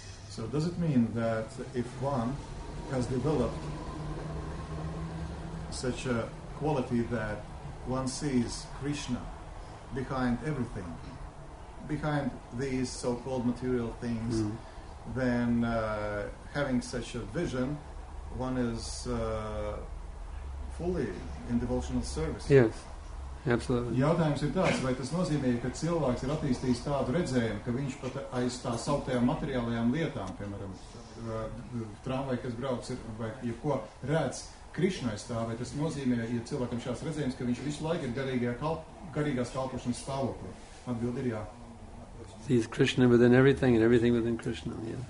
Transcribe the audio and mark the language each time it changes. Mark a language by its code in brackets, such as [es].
[en] So does it mean that if one has developed such a quality that one sees Krishna behind everything, behind these so-called material things, then having such a vision, one is fully in devotional service? Yes. Absolutely. [lv] Jautājums ir tāds, vai tas nozīmē, ka cilvēks ir attīstījis tādu redzējumu, ka viņš pat aiz tā sauktajām materiālajām lietām, piemēram, tramvai, kas brauc, vai jebko redz Krišnais tā, vai tas nozīmē, ja cilvēkam šāds redzējums, ka viņš visu laiku ir garīgās kalpošanas stāvoklī. Atbildi ir jā. [en] He is Krishna within everything and everything within Krishna, yeah.